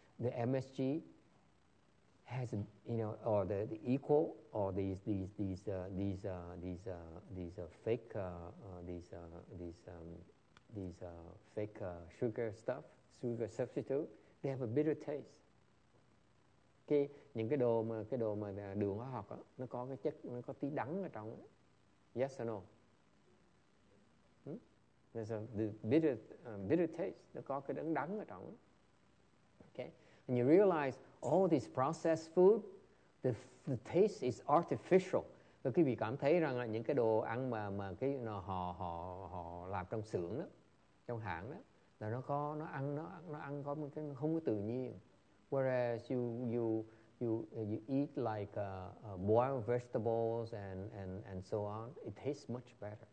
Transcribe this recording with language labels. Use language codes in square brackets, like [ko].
[en] the MSG has, you know, or the equal or these fake sugar substitute, they have a bitter taste. [vi] Cái những cái đồ mà đường hóa học á, nó có cái chất, nó có tí đắng ở trong. [en] Yes or no? There's a bitter taste. [vi] Nó có cái đắng ở trong. Okay. [en] And you realize all these processed food, the taste is artificial. [vi] Và quý vị cảm thấy rằng là những cái đồ ăn mà cái nó họ làm trong xưởng đó, trong hãng đó, là nó ăn có một cái không có tự nhiên. [en] Whereas you eat like boiled vegetables and so on, it tastes much better.